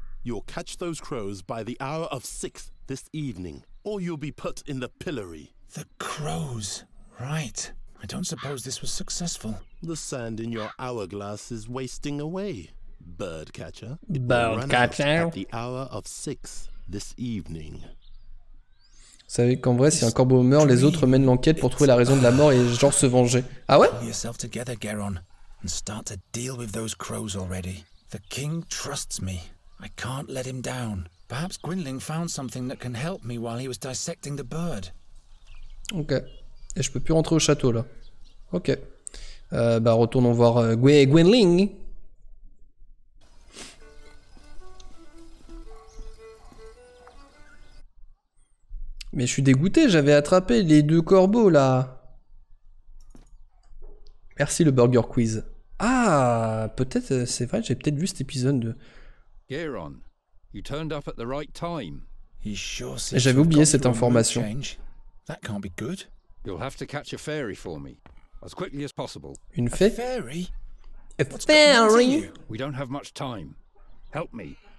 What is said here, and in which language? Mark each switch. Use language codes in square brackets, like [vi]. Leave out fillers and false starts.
[en] You'll catch those crows by the hour of six this evening, or you'll be put in the pillory. The crows, right? I don't suppose this was successful. The sand in your hourglass is wasting away, birdcatcher. Birdcatcher. At the hour of six this evening. [fr] Vous savez qu'en vrai, si un corbeau meurt, les autres mènent l'enquête pour trouver la raison de la mort et genre se venger. Ah ouais? [en] Pull yourself together, Geron, and start to deal with those crows already. The king trusts me. I can't let him down. Perhaps Gwynling found something that can help me while he was dissecting the bird. Ok. [fr] Et je peux plus rentrer au château là. Ok. Bah retournons voir Gwynling. Mais je suis dégoûté, j'avais attrapé les deux corbeaux là. Merci le Burger Quiz. Ah, peut-être, c'est vrai, j'ai peut-être vu cet épisode de... [en] Geron, you turned up at the right time. [fr] Et j'avais oublié cette information. [en] That can't be good. You'll have to catch a fairy for me, as quickly as possible. [fr] Une fée? [en] A fairy? A fairy? We don't have much time. Help me.